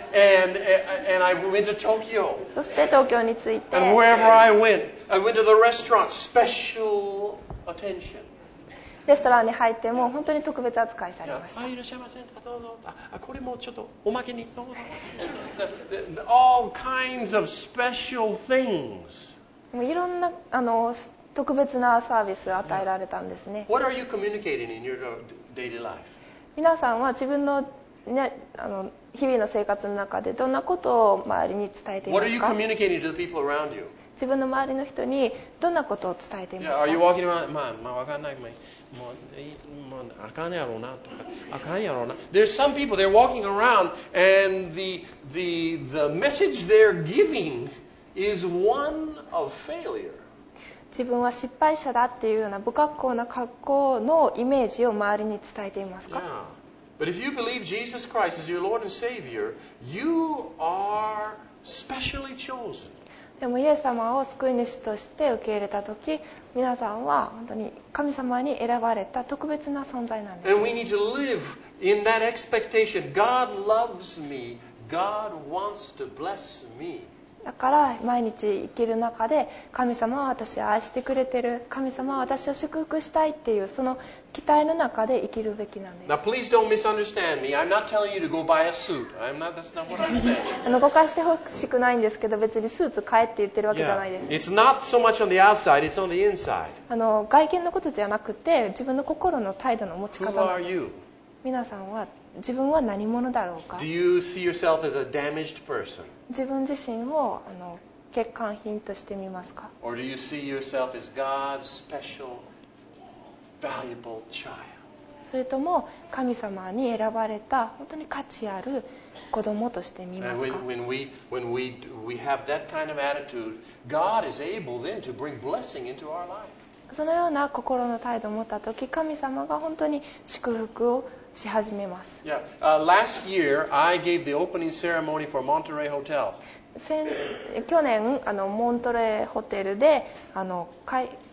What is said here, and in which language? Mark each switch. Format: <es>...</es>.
<en>and I went to Tokyo.</en> <ja>そして東京に着いて、</ja> <en>and wherever I went to the restaurant, special attention.</en> <ja>レストランに入っても本当に特別扱いされました。いらっしゃいませんどうぞ。あ、これもちょっとおまけにどうぞ。</ja> <en>All kinds of special things.</en> <ja>もういろんなあの特別なサービスを与えられたんですね。</ja> <en>What are you communicating in your daily life?</en> <ja>皆さんは自分の、ね、あの日々の生活の中でどんなことを周りに伝えていますか?</ja> <en>What are you communicating to the people around you?</en> <ja>自分の周りの人にどんなことを伝えていますか?</ja> <en>Yeah, are you walking around?</en> <ja>まあ、わかんない。もう、まあ、あかんやろうなとか、あかんやろうな。</ja> <en>There's some people, they're walking around, and the message they're giving is one of failure.</en> <ja>自分は失敗者だっていうような不格好な格好のイメージを周りに伝えていますか?</ja> <en>Yeah. But if you believe Jesus Christ is your Lord and Savior, you are specially chosen.</en> <ja>でもイエス様を救い主として受け入れたとき、皆さんは本当に神様に選ばれた特別な存在なんです。</ja> <en>And we need to live in that expectation. God loves me. God wants to bless me.</en> <ja>だから毎日生きる中で、神様は私を愛してくれてる。神様は私を祝福したいっていうその期待の中で生きるべきなんです。</ja> <en>Now please don't misunderstand me. I'm not telling you to go buy a suit. I'm not. That's not what I'm saying.</en> <ja>あの誤解してほしくないんですけど、別にスーツ買えって言ってるわけじゃないです。</ja> <en>Yeah. It's not so much on the outside. It's on the inside.</en> <ja>あの外見のことじゃなくて、自分の心の態度の持ち方なんです。</ja> <en>Who are you?</en> <ja>皆さんは自分は何者だろうか。</ja> <en>Do you see yourself as a damaged person?</en> <ja>自分自身をあの欠陥品として見ますか?</ja> <en>Or do you see yourself as God's special, valuable child?</en> <ja>それとも神様に選ばれた本当に価値ある子供として見ますか?</ja> <en>And when we have that kind of attitude, God is able then to bring blessing into our life.</en> <ja>そのような心の態度を持ったとき、神様が本当に祝福をし始めます。</ja> <en>Yeah. Last year, I gave the opening ceremony for Monterey Hotel.</en> <ja>去年あのモントレーホテルであの会</ja>